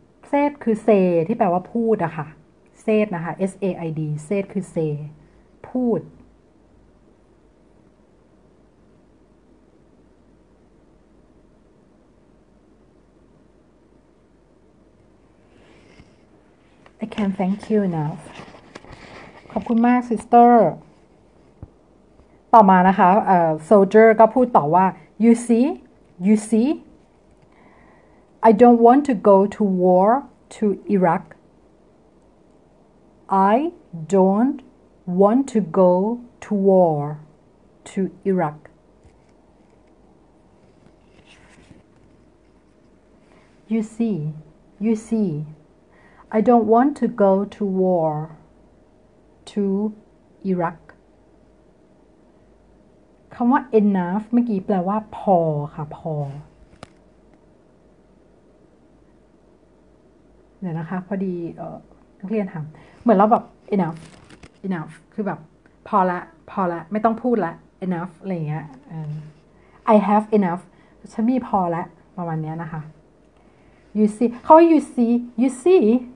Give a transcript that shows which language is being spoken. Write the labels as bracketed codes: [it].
[th] เซดคือเซที่แปลว่าพูดอะค่ะเซดนะคะ SAID เซดคือเซพูด [en] I can thank you enough. [th] ขอบคุณมาก [en] sister. [th] ต่อมานะคะ [en] Soldier [th] ก็พูดต่อว่า [en] You see, I don't want to go to war to Iraq. I don't want to go to war to Iraq. You see. I don't want to go to war to Iraq. [th] คำว่า enough เมื่อกี้แปลว่าพอค่ะพอเดี๋ยวนะคะพอดีนักเรียนถามเหมือนเราแบบ enough คือแบบพอละไม่ต้องพูดละ enough อะไรเงี้ย [en] I have enough [th] ฉันมีพอละประมาณนี้นะคะ [en] You see [th] เขา [en] you see.